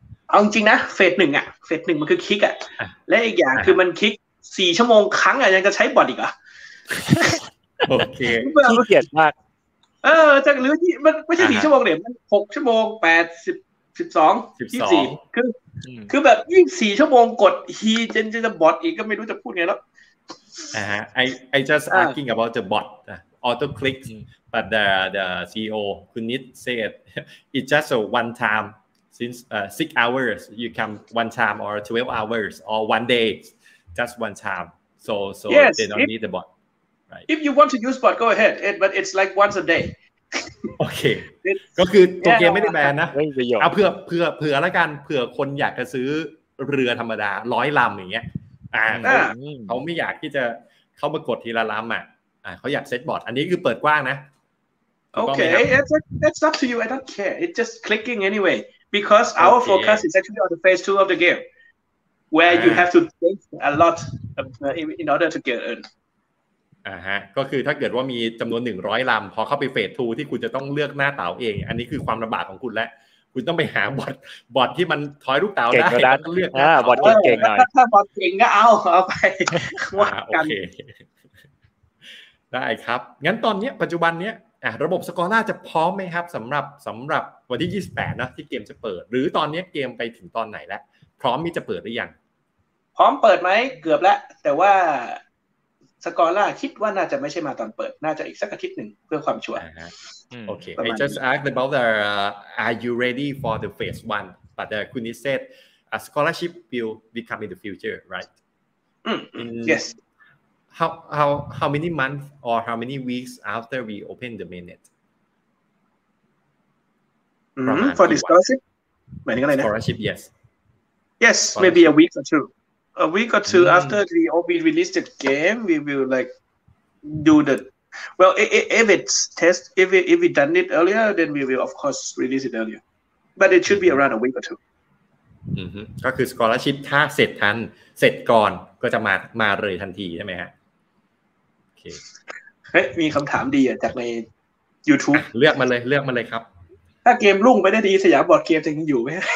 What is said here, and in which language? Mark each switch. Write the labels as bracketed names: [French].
[Thai] เอาจริงนะเฟส1อ่ะเฟส1มันคือคลิกอ่ะและอีกอย่างคือมันคลิก4ชั่วโมงครั้งอ่ะยังจะใช้บอทอีกอ่ะ โอเค ขี้เกียจมาก เออจากหรือที่มันไม่ใช่4ชั่วโมงเนี่ยมัน6ชั่วโมง8 10 12 24 คือแบบยิ่ง4ชั่วโมงกดฮีจะบอทอีกก็ไม่รู้จะพูดไงแล้ว [English] I just asking about the bot auto click but the CEO Kunit said it's just a one time since 6 hours you come one time or 12 hours or one day just one time so yes, they don't need the bot right if you want to use bot go ahead but it's like once a day [Thai] okay ก็คือตัวเกมไม่ได้แบนนะเอาเผื่อแล้วกันเผื่อคนอยากจะซื้อเรือธรรมดา100ลำอย่างเงี้ยเขาไม่อยากที่จะเข้ามากดทีละล้ำอ่ะเขาอยากเซตบอร์ดอันนี้คือเปิดกว้างนะ [English] โอเค that's up to you I don't care it's just clicking anyway because okay. our focus is actually on the phase 2 of the game where you have to think a lot in order to get in [Thai] ฮะก็คือถ้าเกิดว่ามีจำนวน100ลำพอเข้าไปเฟส2ที่คุณจะต้องเลือกหน้าเต๋าเองอันนี้คือความลำบากของคุณและคุณต้องไปหาบอทที่มันถอยลูกเต๋าได้ เก่งกระดาน เลือก บอทเก่งๆหน่อย ถ้าบอทเก่งก็เอาไปว่ากันได้ครับงั้นตอนนี้ปัจจุบันนี้ระบบสกอร่าจะพร้อมไหมครับสำหรับวันที่28นะที่เกมจะเปิดหรือตอนนี้เกมไปถึงตอนไหนแล้วพร้อมที่จะเปิดหรือยัง พร้อมเปิดไหมเกือบแล้วแต่ว่าสกอร่าคิดว่าน่าจะไม่ใช่มาตอนเปิดน่าจะอีกสักอาทิตย์หนึ่งเพื่อความชัวร์ [English] Okay, I just asked about the are you ready for the phase one? But Kunit said a scholarship will become in the future, right? Yes. How many months or how many weeks after we open the mainnet? For the scholarship? Scholarship, yes. Yes, maybe a week or two. A week or two after we release the game, we will like do the. Well, if we done it earlier, then we will of course release it earlier. But it should be around a week or two. [Thai] ก็คือ scholarship ถ้าเสร็จก่อนก็จะมาเลยทันทีใช่ไหมฮะโอเค มีคำถามดีจากใน YouTube เลือกมาเลยครับ ถ้าเกมรุ่งไปได้ดีสยามบอร์ดเกมจะยังอยู่ไหม